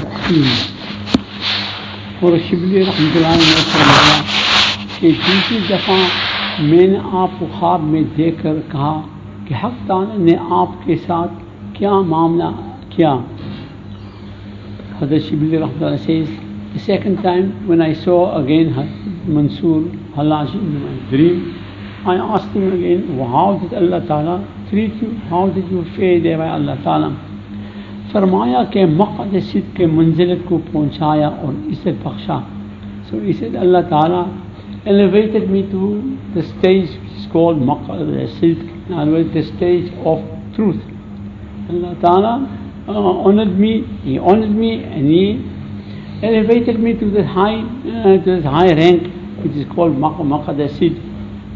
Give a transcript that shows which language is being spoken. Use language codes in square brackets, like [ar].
[ur] شبلی رحمت اللہ کہ دوسری دفعہ میں نے آپ کو خواب میں دیکھ کر کہا کہ حق تعالیٰ نے آپ کے ساتھ کیا معاملہ کیا. [en] حضرت شبلی رحمت اللہ says, the second time when I saw again Mansur Halaj in my dream, I asked him again, how did Allah Ta'ala treat you? How did you fare there by Allah Ta'ala? [ur] فرمایا کہ مقعد صدق کے منزلت کو پہنچایا اور عزت بخشا. [en] So he said, Allah Ta'ala elevated me to the stage which is called مقعد صدق, the stage of truth. Allah Ta'ala honored me, he honored me and he elevated me to the high rank which is called مقعد صدق.